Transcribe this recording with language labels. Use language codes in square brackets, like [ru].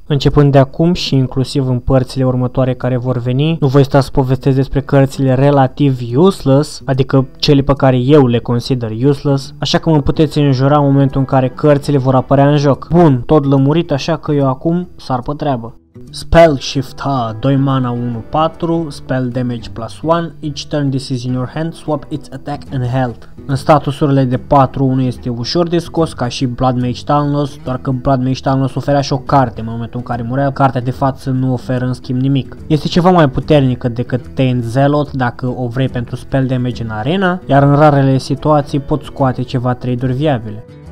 [ro] Începând de acum și inclusiv în părțile următoare care vor veni, nu voi sta să povestesc despre cărțile relativ useless, adică cele pe care eu le consider useless, așa că mă puteți înjura în momentul în care cărțile vor apărea în joc. Bun, tot lămurit, așa că eu acum sar pe treabă. [en] Spell Shift A, 2 mana 1-4, Spell Damage plus 1, each turn this is in your hand, swap its attack and health. [ro] În statusurile de 4-1 este ușor de scos, ca și Blood Mage Talnos, doar că Blood Mage Talnos oferea și o carte în momentul în care murea, cartea de față nu oferă în schimb nimic. Este ceva mai puternică decât Taint Zealot dacă o vrei pentru Spell Damage în arena, iar în rarele situații pot scoate ceva trade-uri viabile.